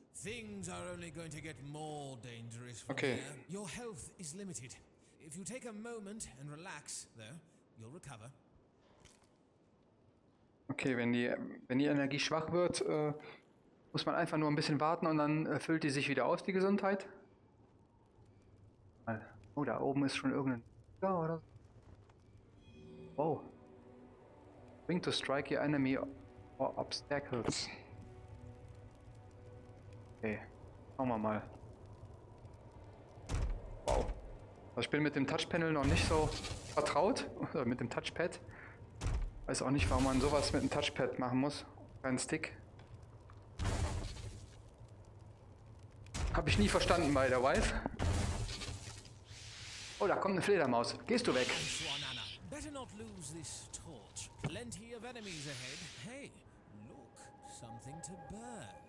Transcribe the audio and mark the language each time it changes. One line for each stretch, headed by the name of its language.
English: Things are only going to get more dangerous from here. Your health is limited. If you take a moment and relax, though, you'll recover.
German: Okay, wenn die Energie schwach wird, muss man einfach nur ein bisschen warten und dann füllt die sich wieder aus, die Gesundheit. Oh, da oben ist schon irgendein... Ja, oder? Wow.
English: Bring to strike your enemy or obstacles.
German: Okay, schauen wir mal. Wow. Also ich bin mit dem Touchpanel noch nicht so vertraut. Oder mit dem Touchpad. Weiß auch nicht, warum man sowas mit dem Touchpad machen muss. Kein Stick. Hab ich nie verstanden bei der Wife. Oh, da kommt eine Fledermaus. Gehst du weg?
English: Better not lose this torch. Plenty of enemies ahead. Hey, look, something to burn.